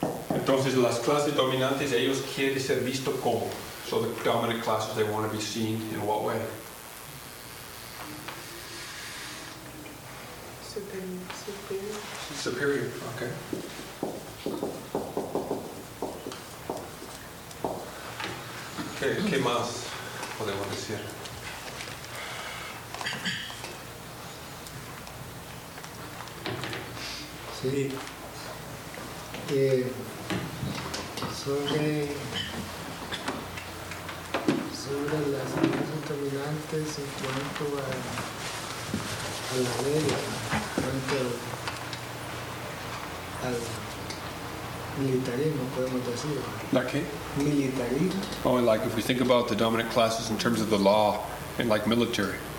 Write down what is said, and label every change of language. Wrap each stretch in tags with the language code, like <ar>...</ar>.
<es>Entonces las clases dominantes, ellos quieren ser visto como.</es> <en>So the dominant classes, they want to be seen in what way?</en> <es>Superior.</es> <en>Superior, okay.</en> <es>Okay, ¿qué más podemos decir? Sí. Sobre las clases dominantes en cuanto a la ley, en cuanto al militarismo, podemos decir. ¿La qué? Militarismo.</es> <en>Oh, and like if we think about the dominant classes in terms of the law and like military.</en>